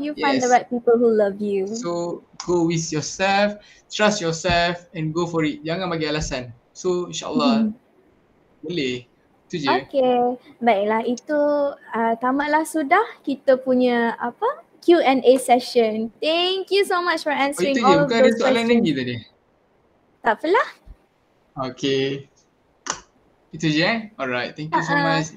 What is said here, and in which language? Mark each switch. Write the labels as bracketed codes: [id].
[en] You find the right people who love you. So go with yourself. Trust yourself and go for it. [ms] Jangan bagi alasan. So insyaAllah boleh. Okay, baiklah, itu tamatlah sudah kita punya apa Q&A session. [en] Thank you so much for answering all of those questions. [ms] Bukan ada soalan lagi tadi? Tak apalah. Okay, itu je eh? [en] Alright, thank you so much.